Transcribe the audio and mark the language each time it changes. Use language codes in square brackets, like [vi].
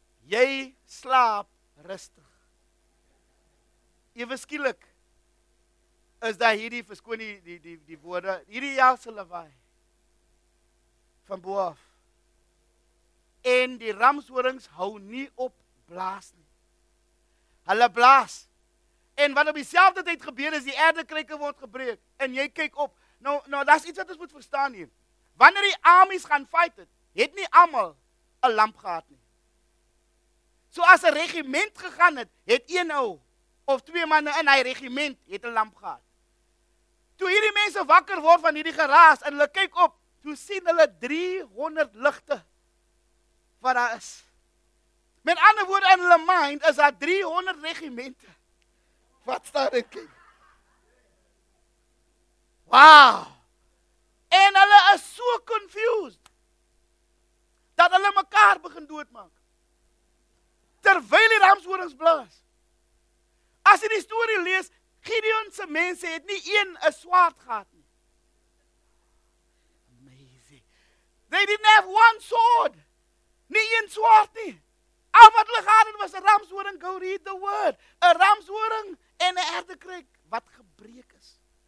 [af] Jy slaap rustig. Ewe skielik is daar hierdie, verskoon die woorde, hierdie jaarse lawaai van boaf. En die ramshorings hou nie op blaas nie. Hulle blaas. En wat op dieselfde tyd gebeur is, die erdekruike word gebreek, en jy kyk op. Nou, dat is iets wat ons moet verstaan hier. Wanneer die armies gaan fight het, het nie allemaal een lamp gehad nie. So as een regiment gegaan het, het een ou, of twee manne in hy regiment, het een lamp gehad. Toe hierdie mense wakker word van hierdie geraas, en hulle kyk op, toe sien hulle 300 ligte, wat daar is. Met ander woord in hulle mind, is daar 300 regimente. Wat staat ek? Wow! En hulle is so confused, dat hulle mekaar begin doodmaak. Terwyl die ramshorings blaas. As jy die story lees, Gideonse mense het nie een een swaard gehad nie. [en] Amazing. They didn't have one sword. [af] Nie een swaard nie. Al wat hulle gehad het was 'n ramshoring, [en] go read the word. [af] 'N ramshoring en 'n erdekruik wat gebreek is.